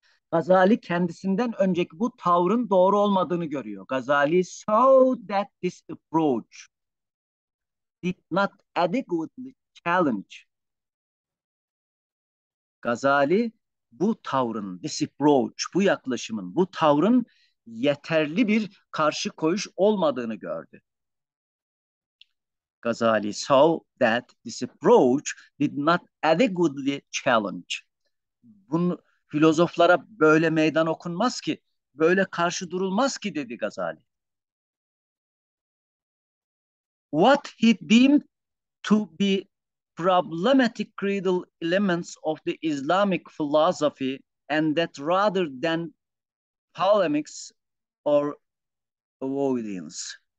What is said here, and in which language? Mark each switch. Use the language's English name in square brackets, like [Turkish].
[Turkish] Gazali kendisinden önceki bu tavrın doğru olmadığını görüyor. [English] Gazali saw that this approach did not adequately challenge. [Turkish] Gazali bu tavrın, this approach, bu yaklaşımın, bu tavrın yeterli bir karşı koyuş olmadığını gördü. [English] Gazali saw that this approach did not adequately challenge. [Turkish] Bunu filozoflara böyle meydan okunmaz ki, böyle karşı durulmaz ki dedi Gazali. [English] What he deemed to be problematic creedal elements of the Islamic philosophy and that rather than polemics or avoidance.